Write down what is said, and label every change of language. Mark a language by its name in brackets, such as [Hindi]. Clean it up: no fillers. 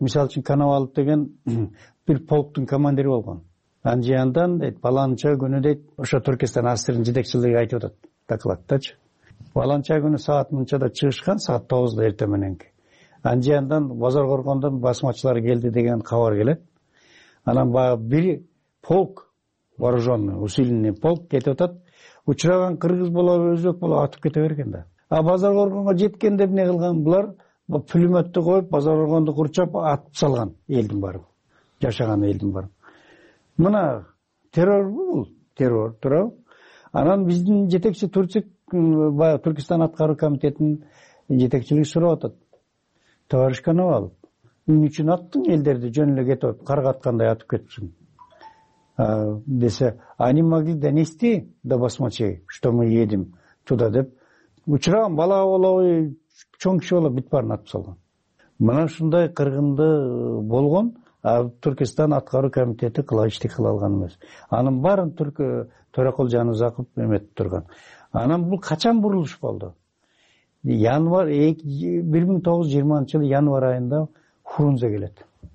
[Kyrgyz] Мисалы үчүн Коновалов деген бир полктун командири болгон. Анын жыйынан дейт, баланча күнү дейт, ошо Түркестан АССР'нын жетекчилиги айтып атат, такылат дачы. Баланча күнү саат мынчада чыгышкан, саат 9:00 эртең мененки. Анын жыйынан Базар коргондон басмачылар келди деген кабар келет. Анан баягы бир полк вооружённый, усиленный полк кетип атат. Учураган кыргыз болобу, өзбек болобу атып кете берген да. А Базар коргонго жеткенде эмне кылган булар? Пулеметти коюп, Базар коргонду курчап атып салган элдин бары. Жашаган элдин бары. Мына террор бул, террор туурабы? Анан биздин жетекчи Турчук баягы Түркістан аткаруу комитетинин жетекчилиги сурап атат. Товарищ Коновалов, эмне үчүн аттың элдерди жөн эле кетип атып, каргаткандай атып кетсиң? [Russian] Десе, они могли донести до басмачей, что мы едем туда, деп. [Kyrgyz] Учураган бала болобу, чоң киши болобу, бүт баарын атып салган. Мына ушундай кыргынды болгон, а Түркістан аткаруу комитети кыла иштик кыла алган эмес. Анын баарын Төрөкул Жанузаков эметип турган. Анан бул качан бурулуш болду? январь 1920-жылы январь айында Фрунзе келет.